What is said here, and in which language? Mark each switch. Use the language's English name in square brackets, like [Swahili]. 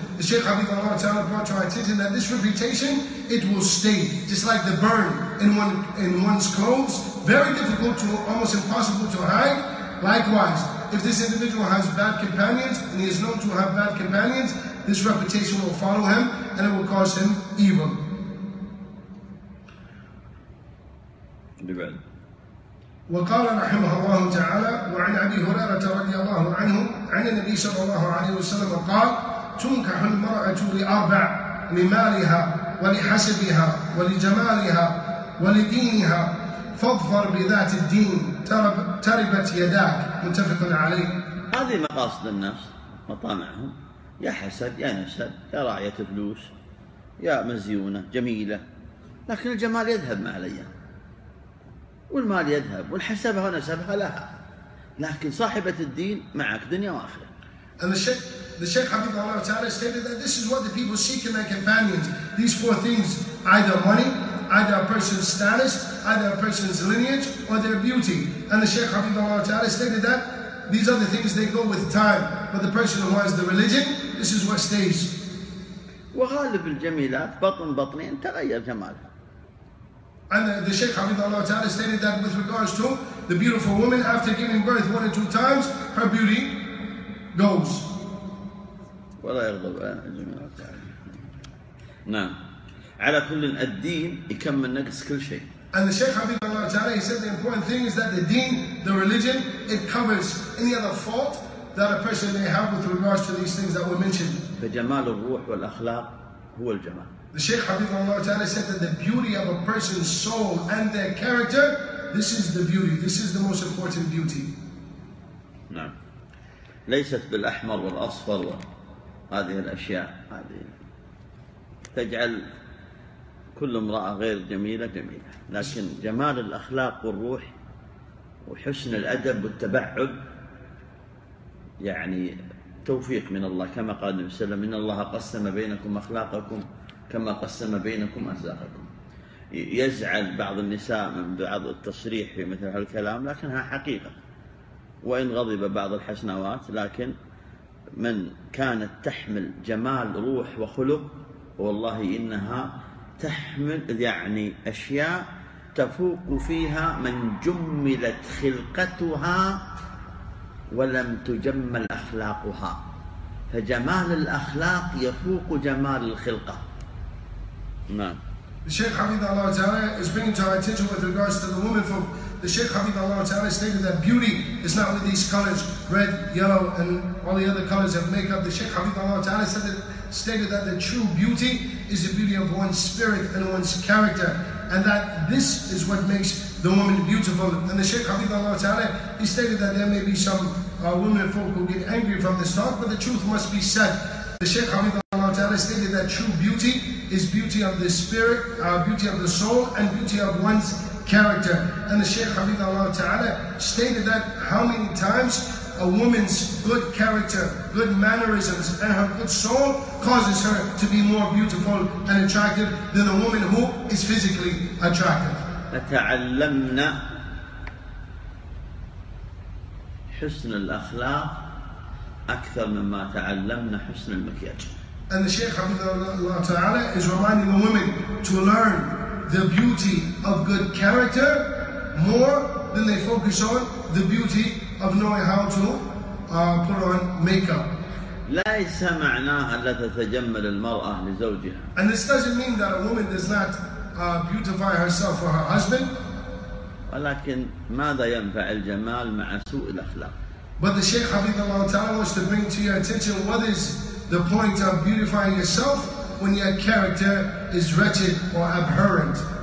[English] The Shaykh Hafidhullah Ta'ala brought to our attention that this reputation, it will stay, just like the burn in one's clothes, very difficult to, almost impossible to hide. Likewise, if this individual has bad companions, and he is known to have bad companions, this reputation will follow him, and it will cause him evil. [Arabic] وقال رحمه الله تعالى وعن أبي هريرة رضي الله عنه عن النبي صلى الله عليه وسلم قال تنكح المرأة لأربع لمالها ولحسبها ولجمالها ولدينها فاظفر بذات الدين تربت يداك متفق عليه هذه مقاصد الناس مطامعهم يا حسد يا نسب يا راعية فلوس يا مزيونة جميلة لكن الجمال يذهب مع الأيام والمال يذهب والحسبها ونسبها لها لكن صاحبة الدين معك دنيا وآخرة [English] The Shaykh Hafidhullah Ta'ala stated that this is what the people seek in their companions. These four things, either money, either a person's status, either a person's lineage, or their beauty. And the Shaykh Hafidhullah Ta'ala stated that these are the things they go with time. But the person who has the religion, this is what stays. [Arabic] وغالب الجميلات بطن بطنين تغير جمالها. [English] And the Shaykh Hafidhullah Ta'ala stated that with regards to the beautiful woman, after giving birth one or two times, her beauty goes. [Arabic] ولا يغضب الجميل نعم على كل الدين يكمل نقص كل شيء [English] and the Shaykh Hafidhullah Ta'ala he said the important thing is that the deen the religion it covers any other fault that a person may have with regards to these things that were mentioned [Arabic] فجمال الروح والأخلاق هو الجمال. [English] The Shaykh [Arabic] حفظه الله تعالى [English] said that the beauty of a person's soul and their character, this is the beauty, this is the most important beauty. [Arabic] نعم. ليست بالأحمر والأصفر وهذه الأشياء هذه تجعل كل امرأة غير جميلة جميلة. لكن جمال الأخلاق والروح وحسن الأدب والتبعد يعني توفيق من الله، كما قال النبي صلى الله عليه وسلم: إن الله قسم بينكم أخلاقكم كما قسم بينكم أرزاقكم. يزعل بعض النساء من بعض التصريح في مثل هالكلام، لكنها حقيقة. وإن غضب بعض الحسنوات، لكن من كانت تحمل جمال روح وخلق، والله إنها تحمل يعني أشياء تفوق فيها من جملت خلقتها ولم تجمل أخلاقها. فجمال الأخلاق يفوق جمال الخلقة. [English] The Shaykh Hafidhahullah Ta'ala is bringing to our attention with regards to the women folk. The Shaykh Hafidhahullah Ta'ala stated that beauty is not with these colors, red, yellow, and all the other colors of makeup. The Shaykh Hafidhahullah Ta'ala stated that the true beauty is the beauty of one's spirit and one's character, and that this is what makes the woman beautiful. And the Shaykh Hafidhahullah Ta'ala, he stated that there may be some women folk who get angry from this talk, but the truth must be said. The Shaykh Hafidhahullah Ta'ala stated that true beauty is beauty of the spirit, beauty of the soul, and beauty of one's character. And the Shaykh Hafidhahullah Ta'ala stated that how many times a woman's good character, good mannerisms, and her good soul causes her to be more beautiful and attractive than a woman who is physically attractive. [Arabic] فتعلمنا حسن الأخلاق أكثر مما تعلمنا حسن المكياج. [English] And the Shaykh Hafidhahullah Ta'ala is reminding the women to learn the beauty of good character more than they focus on the beauty of knowing how to put on makeup. [Arabic] ليس معناها لا تتجمل المرأة لزوجها. [English] And this doesn't mean that a woman does not beautify herself for her husband. [Arabic] ولكن ماذا ينفع الجمال مع سوء الأخلاق؟ [English] But the Shaykh Hafidhahullah Ta'ala wants to bring to your attention what is the point of beautifying yourself when your character is wretched or abhorrent.